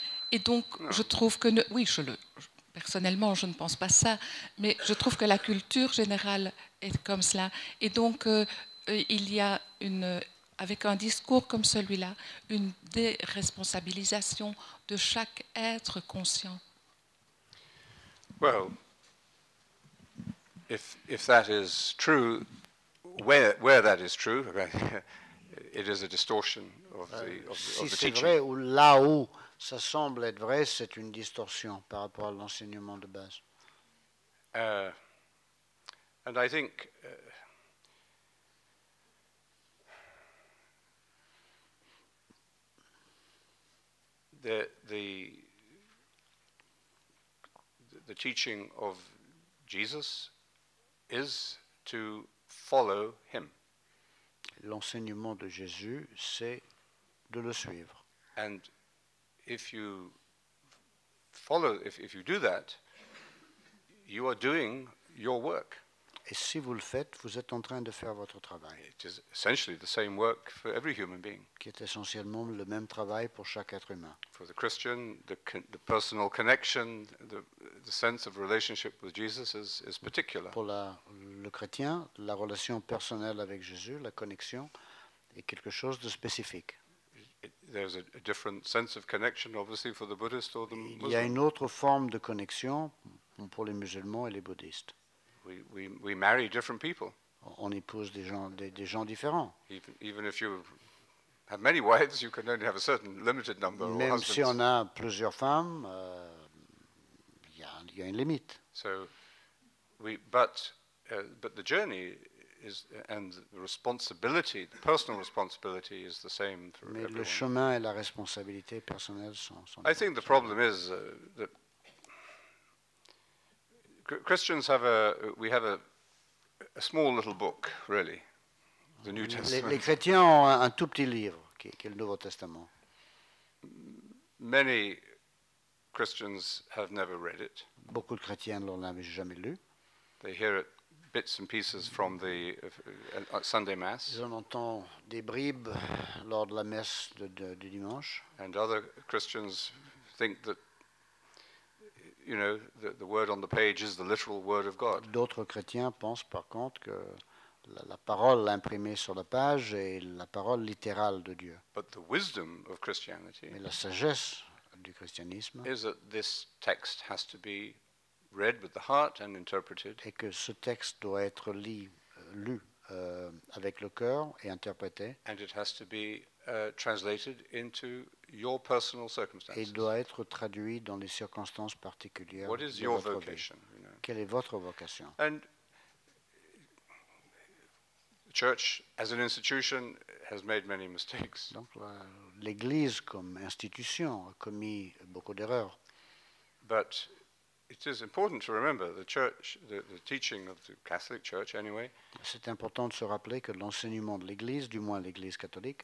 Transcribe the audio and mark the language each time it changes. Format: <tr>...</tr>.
<fr>Et donc je trouve que personnellement je ne pense pas ça, mais je trouve que la culture générale est comme cela. Et donc il y a avec un discours comme celui-là, une déresponsabilisation de chaque être conscient.</fr> <en>Well, if that is true, where that is true, it is a distortion of the teaching.</en> <fr>Si c'est vrai, ou là où ça semble être vrai, c'est une distorsion par rapport à l'enseignement de base.</fr> <en>And I think the teaching of Jesus is to follow him.</en> <fr>L'enseignement de Jésus, c'est de le suivre.</fr> <en>And if you follow, if you do that, you are doing your work.</en> <fr>Et si vous le faites, vous êtes en train de faire votre travail.</fr> <en>It is essentially the same work for every human being.</en> <fr>Qui est essentiellement le même travail pour chaque être humain.</fr> <en>For the Christian, the personal connection, the sense of relationship with Jesus is particular.</en> <fr>Pour le chrétien, la relation personnelle avec Jésus, la connexion, est quelque chose de spécifique.</fr> <en>There's a different sense of connection, obviously, for the Buddhist or the Muslim.</en> <fr>Il y a une autre forme de connexion pour les musulmans et les bouddhistes.</fr> <en>We marry different people.</en> <fr>On épouse des gens différents.</fr> <en>Even if you have many wives, you can only have a certain limited number of husbands.</en> <fr>Même si on a plusieurs femmes, il y a une limite.</fr> <en>So, but the journey is and the responsibility, the personal responsibility is the same for</en> <fr>Mais</fr> <en>everyone.</en> <fr>Le chemin et la responsabilité personnelle sont</fr> <en>I think the problem is that Christians have a small little book, really, the New Testament.</en> <fr>Les chrétiens ont un tout petit livre, qui est le Nouveau Testament.</fr> <en>Many Christians have never read it.</en> <fr>Beaucoup de chrétiens ne l'ont jamais lu.</fr> <en>They hear it bits and pieces from the Sunday Mass.</en> <fr>Ils en entendent des bribes lors de la messe de dimanche.</fr> <en>And other Christians think that you know, the word on the page is the literal word of God.</en> <fr>D'autres chrétiens pensent par contre que la parole imprimée sur la page est la parole littérale de Dieu.</fr> <en>But the wisdom of Christianity.</en> <fr>Mais la sagesse du christianisme.</fr> <en>Is that this text has to be read with the heart and interpreted.</en> <fr>Et que ce texte doit être lu avec le cœur et interprété.</fr> <en>And it has to be translated into your personal circumstances.</en> <fr>Il doit être traduit dans les circonstances particulières.</fr> <en>What is your vocation? You know?</en> <fr>Quelle est votre vocation?</fr> <en>And the church as an institution has made many mistakes.</en> <fr>Donc l'église comme institution a commis beaucoup d'erreurs.</fr> <en>But it is important to remember the church, the teaching of the Catholic Church anyway.</en> <fr>C'est important de se rappeler que l'enseignement de l'église, du moins l'église catholique,</fr>